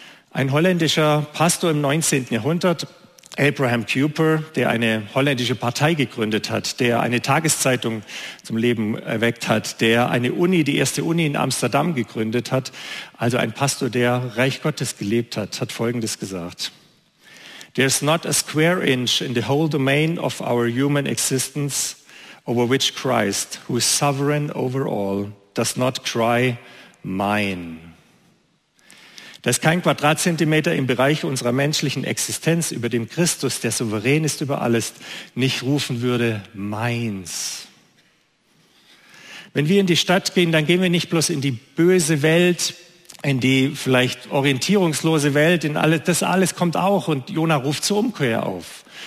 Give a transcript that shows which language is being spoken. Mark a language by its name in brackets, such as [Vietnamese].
[German] Ein holländischer Pastor im 19. Jahrhundert, Abraham Kuyper, der eine holländische Partei gegründet hat, der eine Tageszeitung zum Leben erweckt hat, der eine Uni, die erste Uni in Amsterdam gegründet hat, also ein Pastor, der Reich Gottes gelebt hat, hat Folgendes gesagt. [English] There is not a square inch in the whole domain of our human existence over which Christ, who is sovereign over all, does not cry, mine. [German] Da ist kein Quadratzentimeter im Bereich unserer menschlichen Existenz, über dem Christus, der souverän ist über alles, nicht rufen würde, meins. Wenn wir in die Stadt gehen, dann gehen wir nicht bloß in die böse Welt, in die vielleicht orientierungslose Welt, in alle, das alles kommt auch und Jonah ruft zur Umkehr auf.